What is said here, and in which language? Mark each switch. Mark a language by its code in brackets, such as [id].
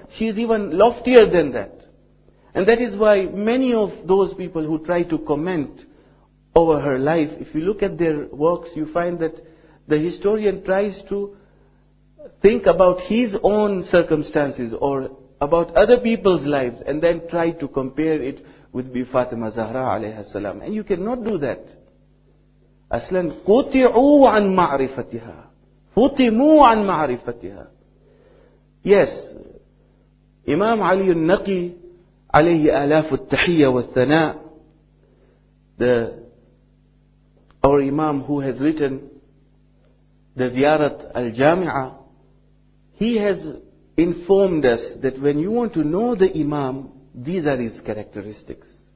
[en] She is even loftier than that. And that is why many of those people who try to comment over her life, if you look at their works, you find that the historian tries to think about his own circumstances or about other people's lives and then try to compare it with Bibi Fatima Zahra alayhi salam. And you cannot do that. [ar] Aslan, قُطِعُوا عَن مَعْرِفَتِهَا فُطِمُوا عَن مَعْرِفَتِهَا. [en] Yes, Imam Ali al-Naqi alayhi alafu al-tahiyya wal-thana, our Imam who has written the Ziyarat al-Jami'ah, he has informed us that when you want to know the Imam, these are his characteristics.